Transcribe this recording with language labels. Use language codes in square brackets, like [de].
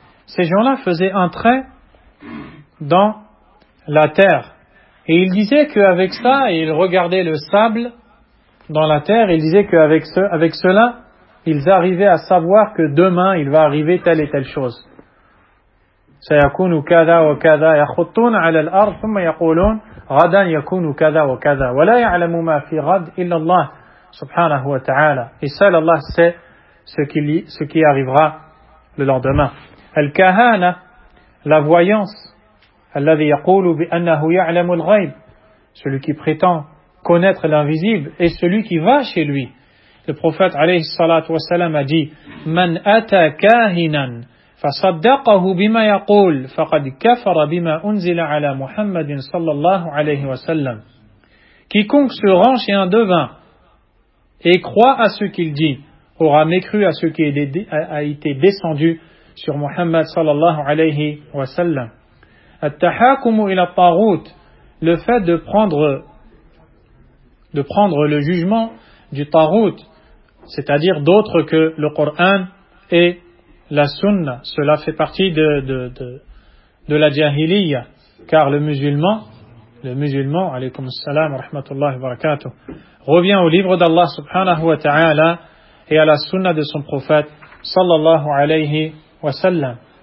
[fr] Ces gens-là faisaient un trait dans la terre. Et ils disaient qu'avec ça, et ils regardaient le sable dans la terre, ils disaient qu'avec avec cela, ils arrivaient à savoir que demain, il va arriver telle et telle chose. [ar] سيكون كذا وكذا يخطون على الأرض ثم يقولون غدا يكون كذا وكذا ولا يعلم ما في غد إلا الله سبحانه وتعالى. [fr] Et seul Allah sait ce qui arrivera le lendemain. [ar] الكهانة, [fr] la voyance, [ar] الذي يقول بأنه يعلم الغيب, [fr] celui qui prétend connaître l'invisible, et celui qui va chez lui. Le prophète [ar] عليه الصلاة والسلام [fr] a dit [ar] من أتى كاهنا فصدقه بما يقول فقد كفر بما أنزل على محمد صلى الله عليه وسلم. [fr] Quiconque se rend chez un devin et croit à ce qu'il dit aura mécru à ce qui a été descendu sur Muhammad [ar] صلى الله عليه وسلم. التحاكم إلى الطاغوت, [fr] le fait de prendre le jugement du tarout, c'est-à-dire d'autres que le Coran et la sunna, cela fait partie de la jahiliya, car le musulman, [ar] alaykum assalam wa rahmatullahi wa barakatuh, [fr] revient au livre d'Allah [ar] subhanahu wa ta'ala [fr] et à la sunna de son prophète [ar] sallallahu alayhi wa sallam.